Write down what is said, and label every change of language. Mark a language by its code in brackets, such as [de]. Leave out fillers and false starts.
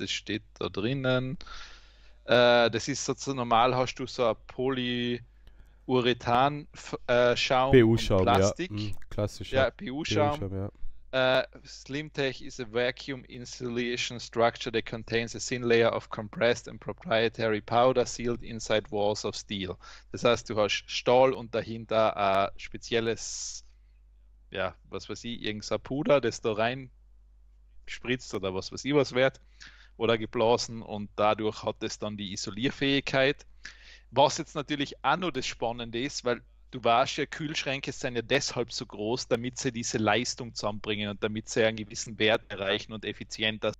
[de] Das steht da drinnen. Das ist sozusagen, normal hast du so ein Polyurethan-Schaum und BU-Schaum, ja. Plastik. Klassischer Ja, PU-Schaum. BU-Schaum, ja. [en] SlimTech is a vacuum insulation structure that contains a thin layer of compressed and proprietary powder sealed inside walls of steel. [de] Das heißt, du hast Stahl und dahinter ein spezielles, ja, was weiß ich, irgend so ein Puder, das da rein spritzt oder was weiß ich was wert oder geblasen und dadurch hat es dann die Isolierfähigkeit. Was jetzt natürlich auch noch das Spannende ist, weil du weißt ja, Kühlschränke sind ja deshalb so groß, damit sie diese Leistung zusammenbringen und damit sie einen gewissen Wert erreichen und effizienter